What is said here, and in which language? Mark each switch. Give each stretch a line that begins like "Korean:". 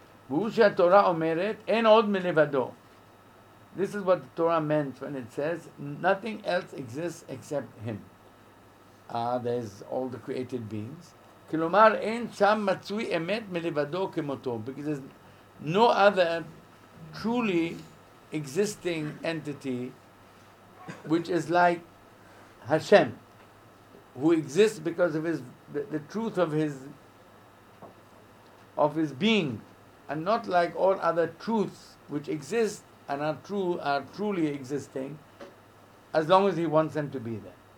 Hebrew: והוא שהתורה אומרת, אין עוד מלבדו.
English: This is what the Torah meant when it says, nothing else exists except him. There's all the created beings.
Hebrew: כלומר, אין שם מצוי אמת מלבדו כמותו.
English: Because there's no other truly existing entity which is like Hashem, who exists because of his the truth of his being, and not like all other truths which exist and are truly existing as long as he wants them to be there.